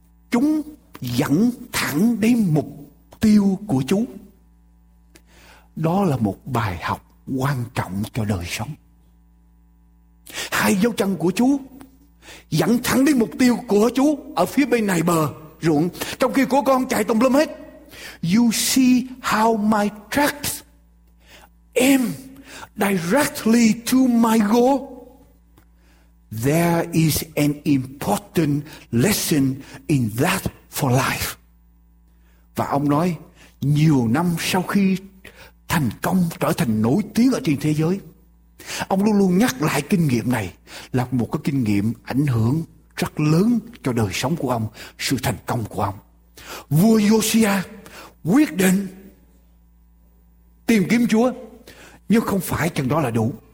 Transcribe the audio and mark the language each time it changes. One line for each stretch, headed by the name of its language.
Vietnamese: Chúng dẫn thẳng đến mục tiêu của chú. Đó là một bài học quan trọng cho đời sống. Hai dấu chân của chú dẫn thẳng đến mục tiêu của chú ở phía bên này bờ ruộng, trong khi của con chạy tùm lum hết.
English: You see how my tracks aim directly to my goal. There is an important lesson in that for life.
Vietnamese: Và ông nói, nhiều năm sau khi thành công trở thành nổi tiếng ở trên thế giới, ông luôn luôn nhắc lại kinh nghiệm này là một cái kinh nghiệm ảnh hưởng rất lớn cho đời sống của ông, sự thành công của ông. Vua Josiah quyết định tìm kiếm Chúa, nhưng không phải chừng đó là đủ.